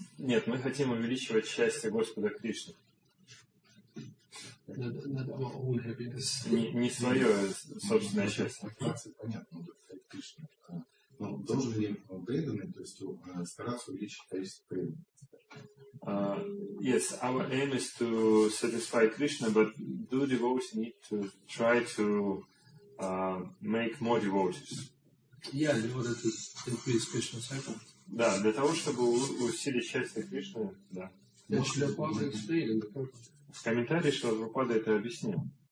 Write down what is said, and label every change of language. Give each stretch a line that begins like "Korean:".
Russian: Нет, мы хотим увеличивать счастье Господа Кришны.
English: Not our own happiness.
Russian: Не свое собственное счастье. Понятно, Кришна. Но должен ли преданный, то есть стараться увеличить количество преданных?
English: Yes, our aim is to satisfy Krishna, but do devotees need to try to make more devotees? Yeah, in order to increase Krishna's happiness.
Russian: Да, для того, чтобы усилить счастье Кришны, да.
English: Yes, Shri Prabhupada explained in the purport.
Russian: В комментарии Шрила Прабхупада это объяснил.